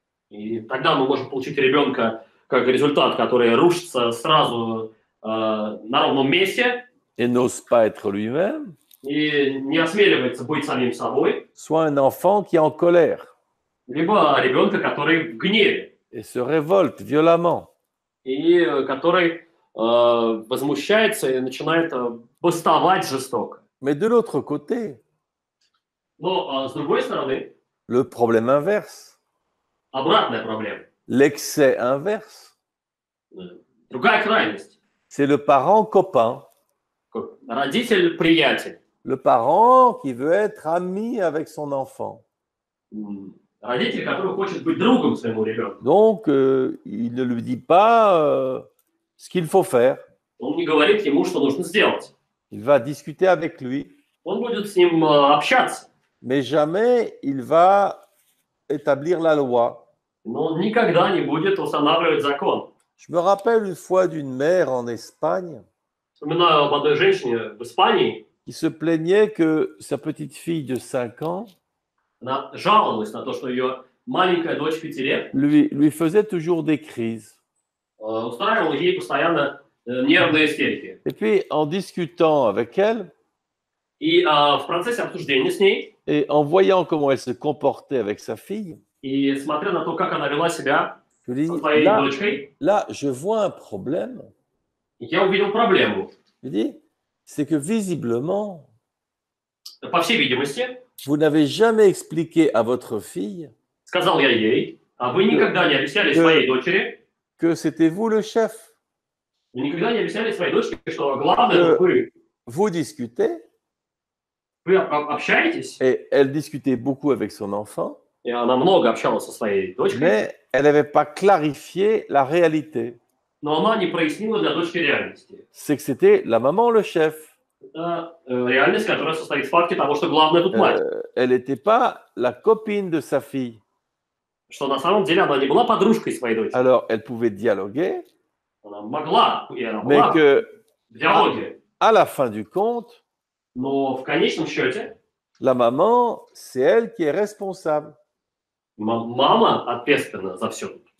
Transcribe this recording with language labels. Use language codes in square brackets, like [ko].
[ru] И тогда мы можем получить ребенка как результат, который рушится сразу на ровном месте. И не [fr] ose pas être lui-même. [ru] И не осмеливается быть самим собой. [fr] Soit un enfant qui est en colère. [ru] Либо ребенка, который в гневе. [fr] Et se révolte violemment. [ru] И который возмущается и начинает бастовать жестоко. [fr] Mais de l'autre côté. [ru] Но с другой стороны. [fr] Le problème inverse. [ru] Обратная проблема. [fr] L'excès inverse. [ru] Другая крайность. [fr] C'est le parent copain. [ru] Родитель-приятель. [fr] Le parent qui veut être ami avec son enfant. [ru] Родитель, который хочет быть другом своему ребенку. [fr] Donc, il ne lui dit pas ce qu'il faut faire. [ru] Он не говорит ему, что нужно сделать. [fr] Il va discuter avec lui. [ru] Он будет с ним общаться. [fr] Mais jamais il va établir la loi. [ru] Но он никогда не будет устанавливать закон. [fr] Je me rappelle une fois d'une mère en Espagne. [ru] Вспоминаю об одной женщине в Испании. [fr] Il se plaignait que sa petite fille de 5 ans [ru] она жаловалась на то, что ее маленькая дочь 5 лет [fr] lui faisait toujours des crises. [ru] Устраивала ей постоянно нервные истерики. [fr] Et puis, en discutant avec elle, [ru] и в процессе обсуждения с ней, [fr] et en voyant comment elle se comportait avec sa fille, [ru] и смотря на то, как она вела себя со своей дочкой, [fr] là, je vois un problème. [ru] Я увидел проблему. [fr] C'est que visiblement, [ru] по всей видимости, [fr] vous n'avez jamais expliqué à votre fille, [ru] сказал я ей, а вы никогда не объясняли своей дочери, [fr] que c'était vous le chef. [ru] Вы никогда не объясняли своей дочери, что главное это вы. [fr] Vous discutez, [ru] вы общаетесь, [fr] et elle discutait beaucoup avec son enfant, [ru] и она много общалась со своей дочкой, [fr] mais elle n'avait pas clarifié la réalité. [ru] Но она не прояснила для дочки реальности. [fr] C'est que c'était la maman le chef. [ru] Это реальность, которая состоит в факте того, что главная тут мать. [fr] Elle n'était pas la copine de sa fille. [ru] Что на самом деле она не была подружкой своей дочери. [fr] Alors, elle pouvait dialoguer. [ru] Она могла, и она [fr] mais [ru] была [fr] que, [ru] в диалоге. [fr] À la fin du compte, [ru] но в конечном счете, [fr] la maman, c'est elle qui est responsable. [ru] Мама ответственна за все.